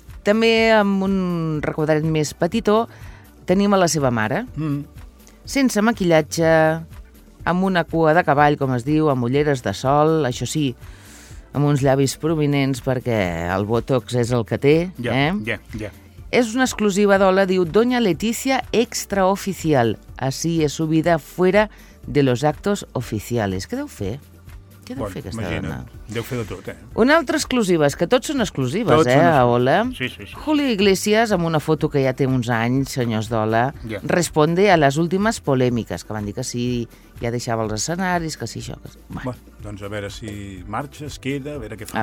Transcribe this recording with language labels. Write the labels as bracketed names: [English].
[Catalan] També amb un recordat més petitó, tenim a la seva mare. Sense maquillatge, amb una cua de cavall, com es diu, amb ulleres de sol, això sí, amb uns llavis prominents perquè el Botox és el que té. Ja, yeah, ja, yeah, ja. Yeah. És una exclusiva d'Ola, diu, [Spanish] Doña Leticia extraoficial. Así es su vida fuera de los actos oficiales. [Catalan] Què deu fer? Què deu fer aquesta imagina't. Dona? Deu fer de tot, eh? Una altra exclusiva, és que tots són exclusives, tots a Ola. Sí, sí, sí. Julio Iglesias, amb una foto que ja té uns anys, senyors d'Ola, responde a les últimes polèmiques, que van dir que sí, ja deixava els escenaris, que sí, això... Que... Bueno, doncs a veure si marxa, es queda, a veure què fa.